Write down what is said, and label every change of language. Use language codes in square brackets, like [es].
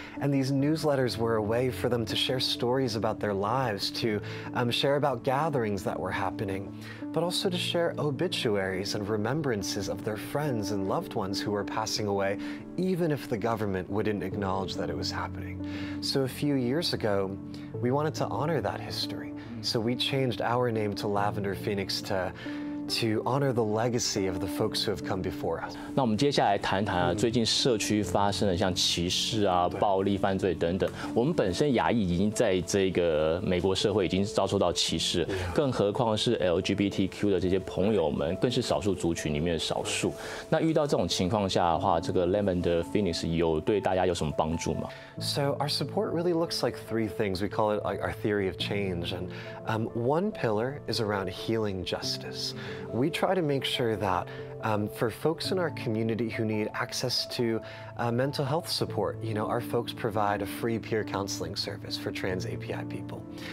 [en] And these newsletters were a way for them to share stories about their lives, to share about gatherings that were happening, but also to share obituaries and remembrances of their friends and loved ones who were passing away, even if the government wouldn't acknowledge that it was happening. So a few years ago, we wanted to honor that history. So we changed our name to Lavender Phoenix to honor the legacy of the folks who have come before us. [zh] 那我们接下来谈谈啊，最近社区发生的像歧视啊、暴力犯罪等等。我们本身亚裔已经在这个美国社会已经遭受到歧视，更何况是 LGBTQ 的这些朋友们，更是少数族群里面的少数。那遇到这种情况下的话，这个 Lavender Phoenix 有对大家有什么帮助吗 [en] ？So our support really looks like three things. We call it our theory of change, and one pillar is around healing justice. we try to make sure that for folks in our community who need access to mental health support, you know, our folks provide a free peer counseling service for trans API people.